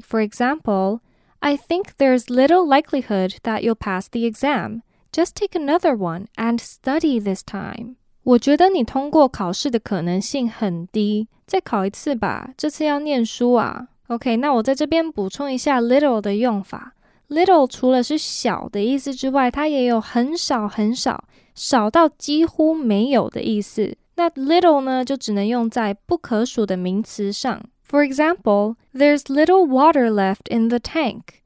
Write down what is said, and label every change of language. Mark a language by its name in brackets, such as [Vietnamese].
[English] For example, I think there's little likelihood that you'll pass the exam. Just take another one and study this time. [Chinese] 我觉得你通过考试的可能性很低，再考一次吧，这次要念书啊。 OK, 那我在这边补充一下 little 的用法。Little 除了是小的意思之外，它也有很少很少，少到几乎没有的意思。那 little 呢，就只能用在不可数的名词上。 [English] For example, there's little water left in the tank.